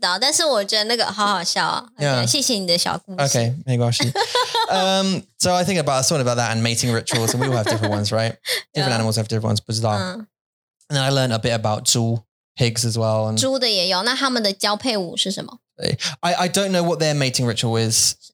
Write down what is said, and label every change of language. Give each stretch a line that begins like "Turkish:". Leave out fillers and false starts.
Chinese: 没有啊,这个不一样啊,鸟跟人不一样。当然不是大家都知道,但是我觉得那个好好笑啊。谢谢你的小故事。 Okay, 没关系。
English: So I think about, I thought about that and mating rituals, and we all have different ones, right? Different animals have different ones,
Chinese: 不知道。
English: And then I learned a bit about 猪, pigs as well.
Chinese: 猪的也有,那他们的交配舞是什么?
English: I don't know what their mating ritual is.